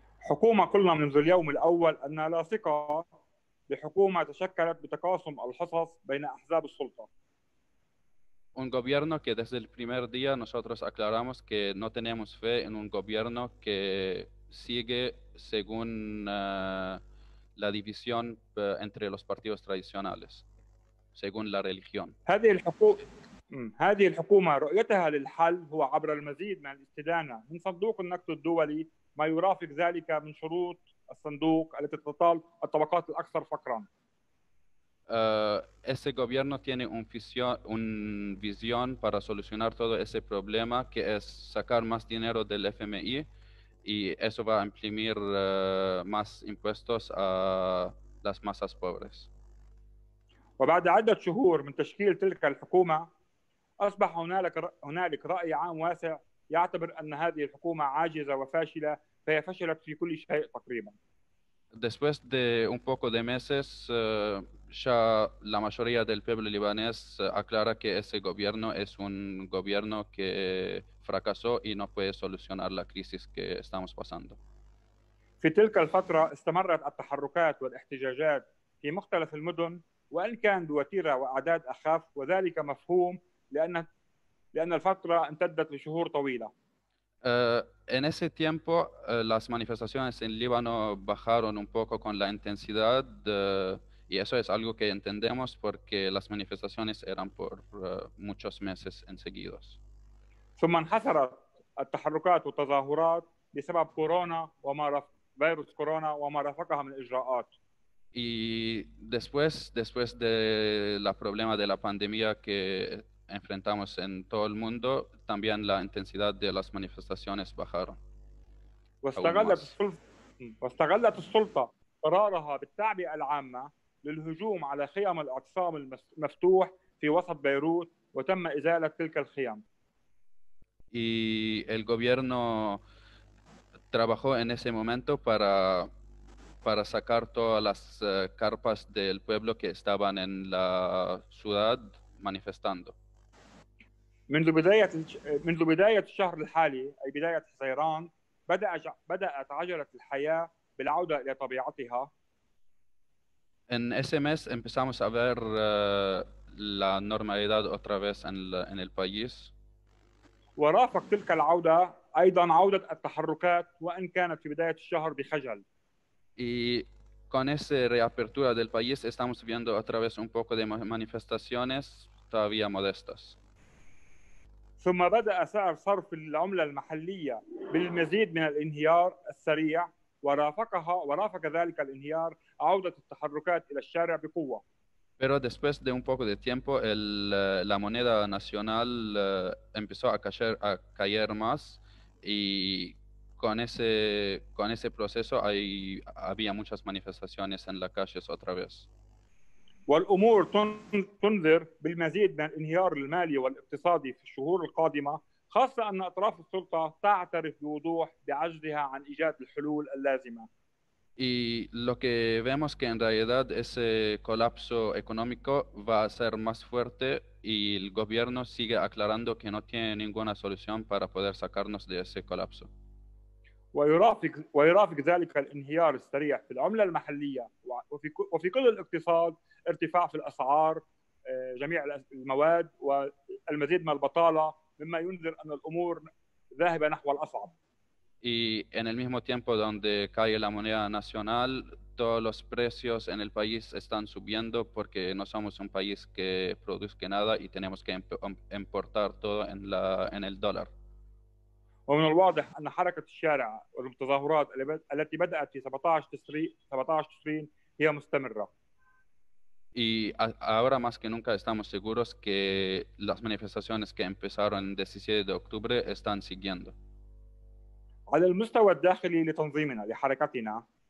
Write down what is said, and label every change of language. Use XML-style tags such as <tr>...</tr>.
<ar>حكومة قلنا منذ اليوم الأول أن لا ثقة بحكومة تشكلت بتقاسم الحصص بين أحزاب السلطة.</ar> <es>Un gobierno que desde el primer día nosotros aclaramos que no tenemos fe en un gobierno que sigue según la división entre los partidos tradicionales según la religión.</es> <ar>هذه الحكومة رؤيتها للحل هو عبر المزيد من الاستدانة من صندوق النقد الدولي ما يرافق ذلك من شروط الصندوق التي تطال الطبقات الأكثر فقراً.</ar> <es>Ese gobierno tiene una visión para solucionar todo ese problema, que es sacar más dinero del FMI, y eso va a imprimir más impuestos a las masas pobres.</es> <ar>وبعد عدة شهور من تشكيل تلك الحكومة أصبح هنالك رأي عام واسع يعتبر أن هذه الحكومة عاجزة وفاشلة فهي فشلت في كل شيء تقريبا.</ar> <es>Después de un poco de meses ya la mayoría del pueblo libanés aclara que ese gobierno es un gobierno que fracasó y no puede solucionar la crisis que estamos pasando.</es> <ar>في تلك الفترة استمرت التحركات والاحتجاجات في مختلف المدن وإن كان بوتيرة وأعداد أخف وذلك مفهوم لأن الفترة امتدت لشهور طويلة.</ar> <es>En ese tiempo las manifestaciones en Líbano bajaron un poco con la intensidad y eso es algo que entendemos porque las manifestaciones eran por muchos meses enseguidos.</es> <ar>ثم انحسرت التحركات والتظاهرات بسبب كورونا وما فيروس كورونا وما رافقها من إجراءات.</ar> <es>Y después de la problema de la pandemia que enfrentamos en todo el mundo, también la intensidad de las manifestaciones bajaron.</es> <ar>واستغلت السلطة قرارها بالتعبئة العامة للهجوم على خيام الاعتصام المفتوح في وسط بيروت وتم إزالة تلك الخيام.</ar> <es>Y el gobierno trabajó en ese momento para sacar todas las carpas del pueblo que estaban en la ciudad manifestando.</es> <ar>منذ بداية الشهر الحالي أي بداية حزيران بدأت عجلة الحياة بالعودة إلى طبيعتها.</ar> <es>En ese mes empezamos a ver la normalidad otra vez en el país.</es> <ar>ورافق تلك العودة أيضا عودة التحركات وإن كانت في بداية الشهر بخجل.</ar> <es>Y con esa reapertura del país estamos viendo otra vez un poco de manifestaciones todavía modestas.</es> <ar>ثم بدأ سعر صرف العملة المحلية بالمزيد من الانهيار السريع ورافق ذلك الانهيار عودة التحركات إلى الشارع بقوة.</ar> <es>Pero después de un poco de tiempo la moneda nacional empezó a caer más y con ese proceso había muchas manifestaciones en las calles otra vez.</es> <ar>والأمور تنذر بالمزيد من الانهيار المالي والاقتصادي في الشهور القادمة خاصة أن أطراف السلطة تعترف بوضوح بعجزها عن إيجاد الحلول اللازمة.</ar> <es>Y lo que vemos que en realidad ese colapso económico va a ser más fuerte y el gobierno sigue aclarando que no tiene ninguna solución para poder sacarnos de ese colapso.</es> <ar>ويرافق ذلك الانهيار السريع في العملة المحلية وفي كل الاقتصاد ارتفاع في الأسعار جميع المواد والمزيد من البطالة مما ينذر أن الأمور ذاهبة نحو الأصعب.</ar> <es>Y en el mismo tiempo donde cae la moneda nacional, todos los precios en el país están subiendo porque no somos un país que produzca nada y tenemos que importar todo en el dólar.</es> <ar>ومن الواضح أن حركة الشارع والتظاهرات التي بدأت في 17 تشرين هي مستمرة.</ar> <es>Y ahora más que nunca estamos seguros que las manifestaciones que empezaron el 17 de octubre están siguiendo.</es> <ar>على المستوى الداخلي لتنظيمنا لحركتنا.</ar>